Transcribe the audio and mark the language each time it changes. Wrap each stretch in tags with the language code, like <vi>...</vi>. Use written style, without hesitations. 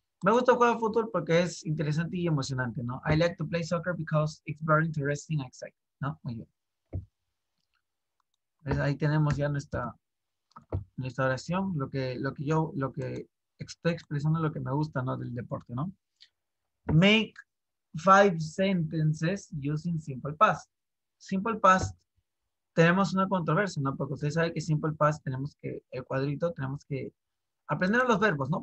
<es>Me gusta jugar fútbol porque es interesante y emocionante, ¿no?</es> <en>I like to play soccer because it's very interesting and exciting, ¿no?</en> <es>Muy bien. Pues ahí tenemos ya nuestra oración, lo que estoy expresando, lo que me gusta, ¿no? Del deporte, ¿no?</es> <en>Make five sentences using simple past.</en> <es>Simple past, tenemos una controversia, ¿no? Porque ustedes saben que simple past tenemos que, el cuadrito, tenemos que aprender los verbos, ¿no?</es>